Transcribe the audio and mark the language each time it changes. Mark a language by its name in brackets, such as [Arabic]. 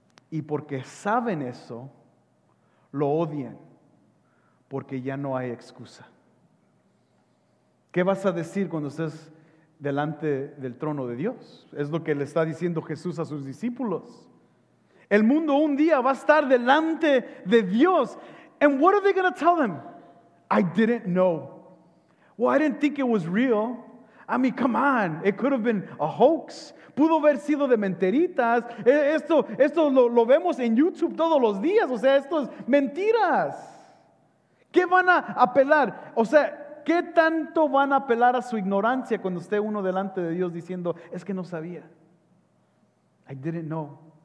[Spanish] Y porque saben eso, lo odian, porque ya no hay excusa. ¿Qué vas a decir cuando estés delante del trono de Dios? Es lo que le está diciendo Jesús a sus discípulos. El mundo un día va a estar delante de Dios. [English] And what are they going to tell them? I didn't know. Well, I didn't think it was real. I mean, come on. It could have been a hoax. [Spanish] Pudo haber sido de mentiritas. Esto lo vemos en YouTube todos los días. O sea, esto es mentiras. ¿Qué van a apelar? O sea, ¿qué tanto van a apelar a su ignorancia cuando esté uno delante de Dios diciendo, es que no sabía? [English] I didn't know.